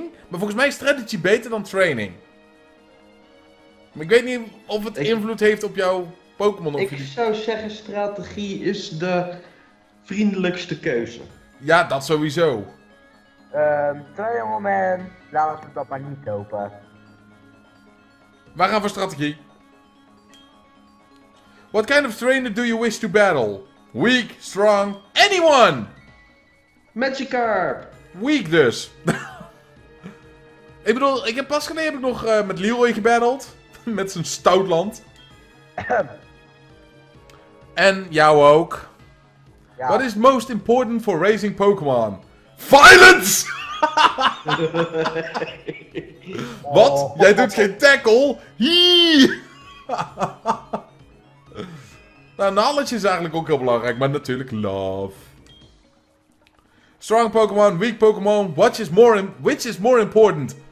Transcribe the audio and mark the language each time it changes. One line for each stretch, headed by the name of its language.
Dutch: Maar volgens mij is strategy beter dan training. Maar ik weet niet of het invloed heeft op jouw Pokémon. Ik zou zeggen strategie is de vriendelijkste keuze. Ja, dat sowieso. Training moment, laten we dat maar niet lopen. Waar gaan we voor strategie?
English: What kind of trainer do you wish to battle? Weak, strong, anyone! Magikarp!
Dutch: Weak dus. Ik bedoel, ik heb pas geleden heb ik nog met Leroy gebattled. Met zijn Stoutland. En jou ook. Ja.
English: What is most important for raising Pokémon? Violence!
Dutch: Oh. Wat? Jij doet geen tackle? Hiiii! Nou, knowledge is eigenlijk ook heel belangrijk, maar natuurlijk love.
English: Strong Pokémon, weak Pokémon, which is more important?